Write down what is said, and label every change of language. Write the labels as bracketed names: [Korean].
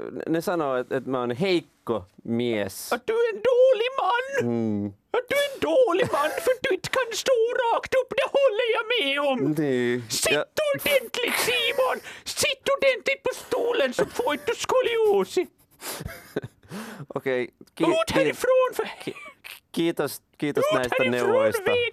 [Finnish] Ne sanoo, että mä oon heikko mies. [Swedish] Att du är en dålig man. Att du är en dålig man, för du inte kan stå rakt upp, det håller jag med om. Sitt ordentligt, Simon. Sitt ordentligt på stolen så får inte skolios. Okej. Ut härifrån för... [Finnish] Kiitos näistä neuvoista.